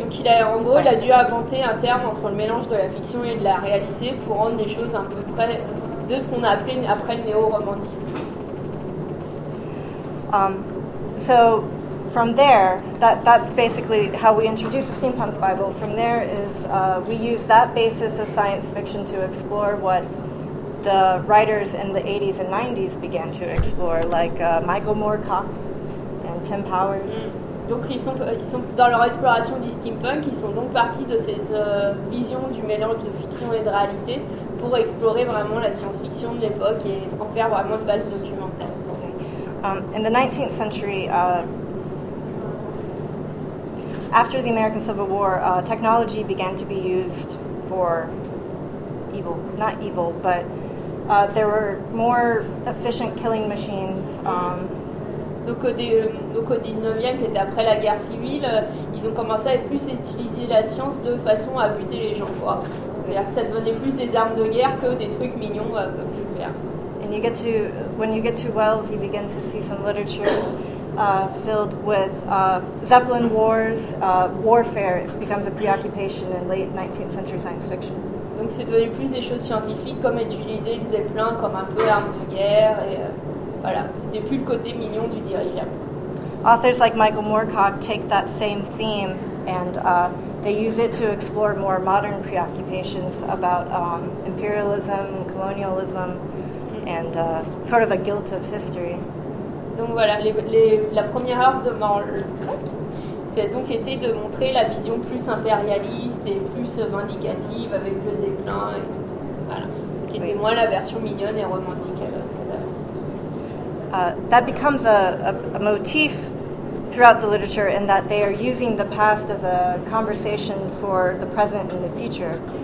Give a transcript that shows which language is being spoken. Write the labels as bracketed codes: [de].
[fr] Donc il a, en gros, il a dû inventer un terme entre le mélange de la fiction et de la réalité pour rendre les choses un peu près de ce qu'on a appelé après le néo-romantisme. [en] So from there, that's basically how we introduce the steampunk Bible. From there is we use that basis of science fiction to explore what the writers in the 80s and 90s began to explore, like Michael Moorcock and Tim Powers. [fr] Donc ils sont dans leur exploration du steampunk, ils sont donc partis de cette vision du mélange de fiction et de réalité pour explorer vraiment la science-fiction de l'époque et en faire vraiment une base documentaire. [en] In the 19th century, after the American Civil War, technology began to be used for evil. Not evil, but there were more efficient killing machines. [fr] Donc au 19e, qui était après la guerre civile, ils ont commencé à plus utiliser la science de façon à buter les gens, quoi. C'est-à-dire que ça devenait plus des armes de guerre que des trucs mignons à peu plus faire. [en] And you get to, when you get to Wells, you begin to see some literature filled with Zeppelin wars, warfare. It becomes a preoccupation in late 19th century science fiction. [fr] Donc c'est devenu plus des choses scientifiques, comme utiliser les zeppelins comme un peu arme de guerre, et voilà, c'était plus le côté mignon du dirigeable. [en] Authors like Michael Moorcock take that same theme and they use it to explore more modern preoccupations about imperialism, colonialism, and sort of a guilt of history. [fr] Donc voilà, la première œuvre de Marl, c'est donc été de montrer la vision plus impérialiste et plus vindicative avec le Zeppelin, et voilà, qui était moins la version mignonne et romantique à l'œuvre. [en] That becomes a motif throughout the literature in that they are using the past as a conversation for the present and the future.